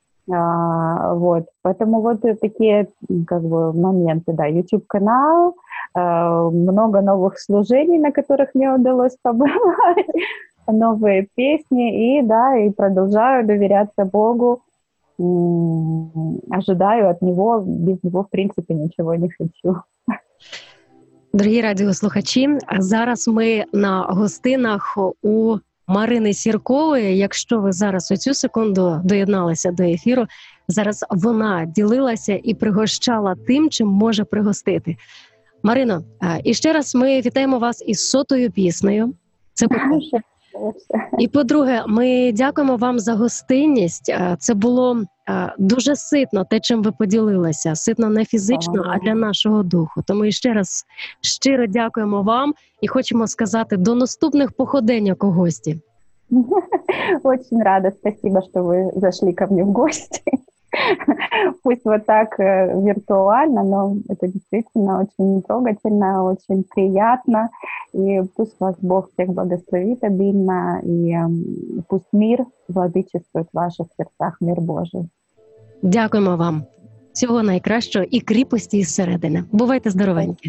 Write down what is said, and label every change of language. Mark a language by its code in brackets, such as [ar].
[ru] Вот. Поэтому вот такие, как бы, моменты, да, YouTube-канал, много новых служений, на которых мне удалось побывать, новые песни, и, да, и продолжаю доверяться Богу. ожидаю от него, без него, в принципе, ничего не хочу. [uk] Дорогі радіослухачі, зараз ми на гостинах у Марини Сіркової. Якщо ви зараз у цю секунду доєдналися до ефіру, зараз вона ділилася і пригощала тим, чим може пригостити. Марино, і ще раз ми вітаємо вас із сотою піснею. Це по-перше. І по-друге, ми дякуємо вам за гостинність. Це було дуже ситно, те, чим ви поділилися. Ситно не фізично, а для нашого духу. Тому ще раз щиро дякуємо вам і хочемо сказати до наступних походеньок у гості. Дуже рада. [ru] Спасибо, [uk] що ви зайшли ко мені в гості. [ru] Пусть вот так виртуально, но это действительно очень трогательно, очень приятно. И пусть вас Бог всех благословит обильно, и пусть мир владычествует в ваших сердцах, мир Божий. [uk] Дякуємо вам. [ru] Всего найкращого и крепости из середины. [uk] Бувайте здоровенькі.